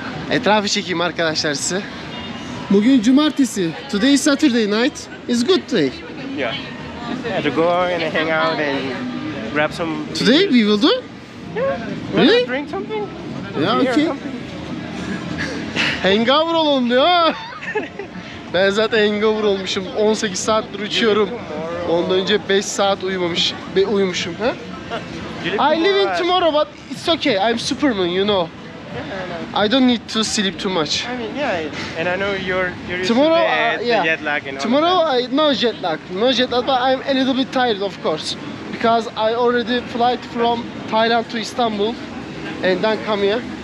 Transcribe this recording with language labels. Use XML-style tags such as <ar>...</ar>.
<tr>Etrafı çekeyim arkadaşlar size. Bugün cumartesi.</tr> <en>Today is Saturday night. It's good day. Yeah. To go and hang out and grab some. Today we will do. Yeah. Really? Wanna drink something? Yeah, okay.</en> <tr>Hangover olalım diyor. Ben zaten hangover olmuşum. 18 saattir içiyorum. Ondan önce 5 saat uyumuşum.</tr> <en>I live in tomorrow, but it's okay. I'm Superman, you know. I don't need to sleep too much. I mean, yeah, and I know you're tomorrow, used to bed, yeah. The jet lag and tomorrow, all that. Tomorrow, no jet lag, but I'm a little bit tired, of course. Because I already flight from Thailand to Istanbul and then come here.</en>